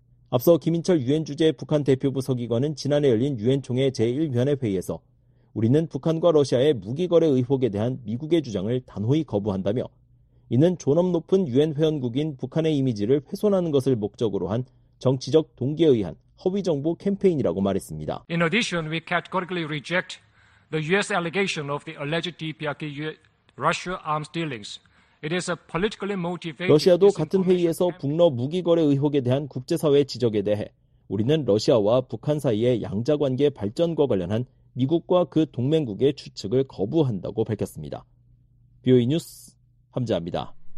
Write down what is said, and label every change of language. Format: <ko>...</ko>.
<ko>앞서 김인철 유엔 주재 북한 대표부 서기관은 지난해 열린 유엔총회 제1위원회 회의에서 우리는 북한과 러시아의 무기 거래 의혹에 대한 미국의 주장을 단호히 거부한다며 이는 존엄 높은 유엔 회원국인 북한의 이미지를 훼손하는 것을 목적으로 한 정치적 동기에 의한 허위 정보 캠페인이라고 말했습니다.</ko> <en>In addition, we categorically reject the U.S. allegation of the alleged DPRK Russia arms dealings.</en> <ko>러시아도 같은 회의에서 북러 무기 거래 의혹에 대한 국제사회 지적에 대해 우리는 러시아와 북한 사이의 양자관계 발전과 관련한 미국과 그 동맹국의 추측을 거부한다고 밝혔습니다. BOE 뉴스 함지아입니다.</ko>